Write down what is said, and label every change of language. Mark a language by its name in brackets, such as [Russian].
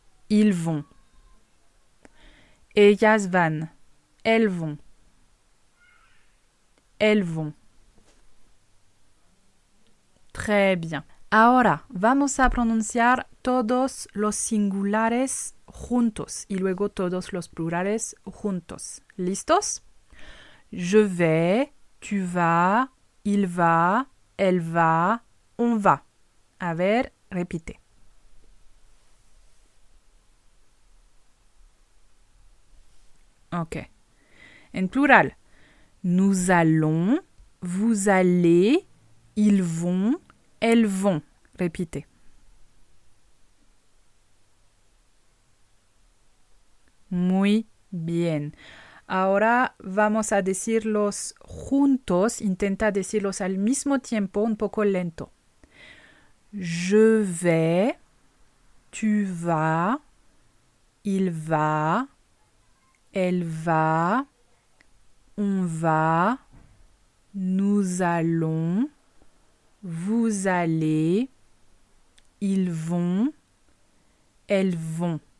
[French] Ils vont. [Spanish] Ellas van. [French] Elles vont. Elles vont. Très bien. [Spanish] Ahora, vamos a pronunciar todos los singulares juntos y luego todos los plurales juntos. ¿Listos? [French] Je vais, tu vas, il va, elle va, on va. [Spanish] A ver, repite. [French] Ok. [Spanish] En plural. [French] Nous allons, vous allez, ils vont, elles vont. Répétez. [Spanish] Muy bien. Ahora vamos a decirlos juntos. Intenta decirlos al mismo tiempo, un poco lento. [French] Je vais, tu vas, il va, elle va. On va, nous allons, vous allez, ils vont, elles vont.